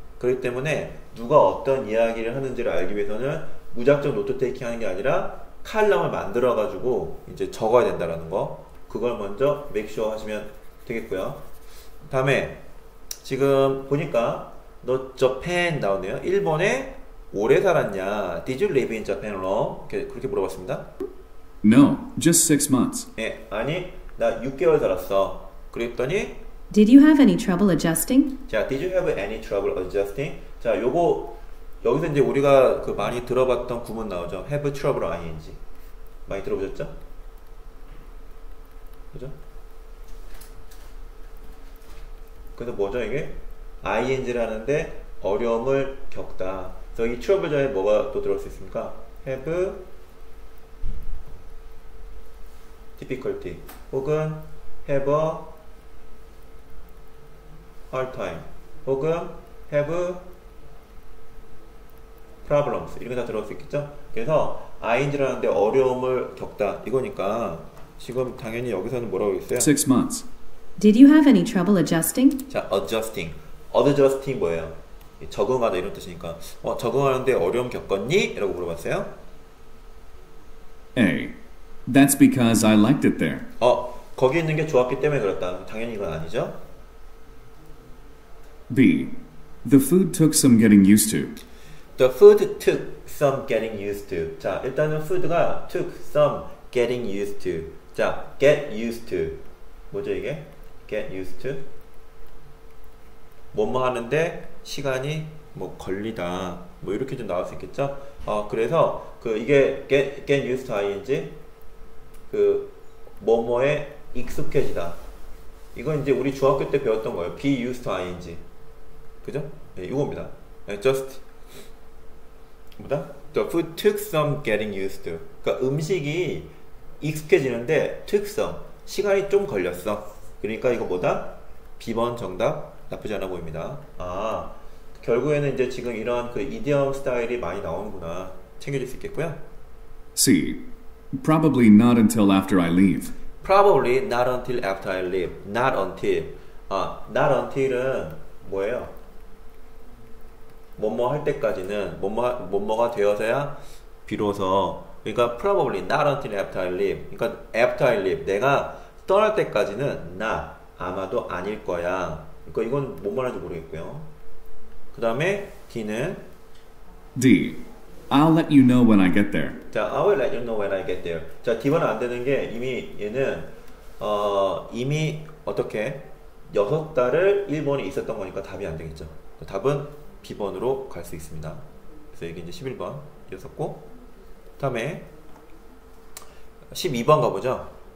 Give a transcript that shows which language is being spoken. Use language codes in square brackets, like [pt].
[ko] 그렇기 때문에 누가 어떤 이야기를 하는지를 알기 위해서는 무작정 노트 테이킹 하는 게 아니라 칼럼을 만들어가지고 이제 적어야 된다라는 거. 그걸 먼저 맥시어 하시면 되겠고요. 다음에 지금 보니까 너 재팬 나오네요. 일본에 오래 살았냐? [en] Did you live in Japan long? [ko] 그렇게 물어봤습니다. [en] No, just 6 months. [ko] 예, 아니, 나 6개월 살았어. 그랬더니, [en] Did you have any trouble adjusting? 자, Did you have any trouble adjusting? [ko] 자, 요거 여기서 이제 우리가 그 많이 들어봤던 구문 나오죠. [en] Have trouble ing. [ko] 많이 들어보셨죠? 그죠? 근데 뭐죠 이게? ing라는데 어려움을 겪다. 그래서 이 트러블자에 뭐가 또 들어갈 수 있습니까? [en] have difficulty 혹은 have a hard time 혹은 have problems [ko] 이렇게 다 들어갈 수 있겠죠? 그래서 ing라는데 어려움을 겪다 이거니까 지금 당연히 여기서는 뭐라고 했어요? [en] Six months. Did you have any trouble adjusting? 자, adjusting. [ko] Adjusting 뭐예요? 적응하다 이런 뜻이니까 적응하는데 어려움 겪었니? 라고 물어봤어요. [en] A. That's because I liked it there. [ko] 거기 있는 게 좋았기 때문에 그렇다. 당연히 이건 아니죠. [en] B. The food took some getting used to. The food took some getting used to. [ko] 자, 일단은 [en] food가 took some getting used to. 자, get used to. [ko] 뭐죠 이게? [en] get used to. [ko] 뭐뭐 하는데 시간이 뭐 걸리다 뭐 이렇게 좀 나올 수 있겠죠? 그래서 그 이게 [en] get used to ing [ko] 그 뭐뭐에 익숙해지다 이건 이제 우리 중학교 때 배웠던 거예요. [en] be used to ing [ko] 그죠? 예, 이겁니다. just 뭐다? [en] the food took some getting used to [ko] 그러니까 음식이 익숙해지는데 [en] took some [ko] 시간이 좀 걸렸어. 그러니까 이거 뭐다? b번 정답 나쁘지 않아 보입니다. 아, 결국에는 이제 지금 이런 그 이디엄 스타일이 많이 나오는구나. 챙겨줄 수 있겠고요. [en] C. Probably not until after I leave. Probably not until after I leave. Not until. [ko] 아, not until은 뭐예요? 뭐뭐 할 때까지는 뭐뭐가 되어서야 비로소. 그러니까 [en] probably not until after I leave. 그러니까 after I leave. [ko] 내가 떠날 때까지는 나 아마도 아닐 거야. 그러니까 이건 뭔 말인지 모르겠고요. 그 다음에 D는 [en] D. I'll let you know when I get there. 자, I will let you know when I get there. [ko] 자, D번 안 되는 게 이미 얘는 이미 어떻게 6달을 일본에 있었던 거니까 답이 안 되겠죠. 답은 B번으로 갈수 있습니다. 그래서 이게 이제 11번이었었고 다음에 12번 가보죠.